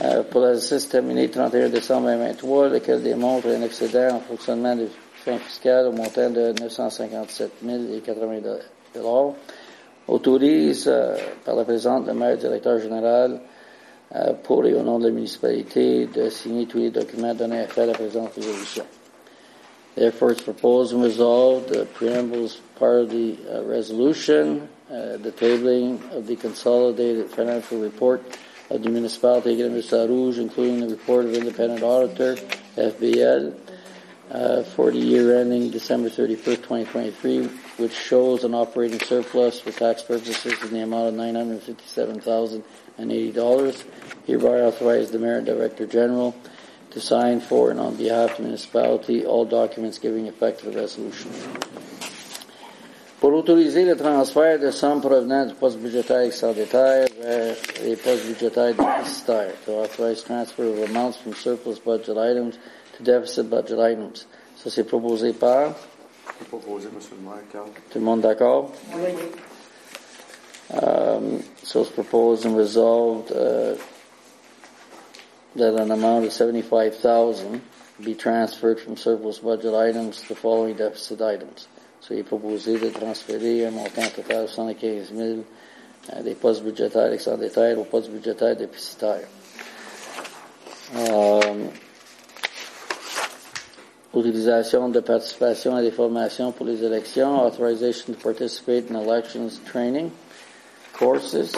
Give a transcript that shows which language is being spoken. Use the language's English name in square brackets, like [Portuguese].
[French] Pour la justice terminée 31 décembre 2023, lequel démontre un excédent en fonctionnement de fin fiscale au montant de 957 080 $. Autorise par la présente le maire directeur général pour et au nom de la municipalité de signer tous les documents donnés à faire la présente résolution. [English] Therefore, it's proposed and resolved, the preamble is part of the resolution, the tabling of the consolidated financial report of the municipality of Grande-Missarouge, including the report of independent auditor, FBL, for the year ending December 31st, 2023, which shows an operating surplus for tax purposes in the amount of $957,080. Hereby authorize the Mayor and Director General to sign for and on behalf of the municipality all documents giving effect to the resolution. [French] pour autoriser le transfert de sommes provenant du poste budgétaire excédentaire vers les postes budgétaires déficitaires. [English] To authorize transfer of amounts from surplus budget items to deficit budget items. [French] Ça, c'est proposé par? C'est proposé, M. le maire, Carl. Tout le monde d'accord? Oui, [English] oui. So, it's proposed and resolved that an amount of $75,000 be transferred from surplus budget items to the following deficit items. [French] So, il est proposé de transférer un montant total de 75 000 des postes budgétaires excédentaires aux postes budgétaires déficitaires. Utilisation de participation à des formations pour les élections, [English] authorization to participate in elections training courses.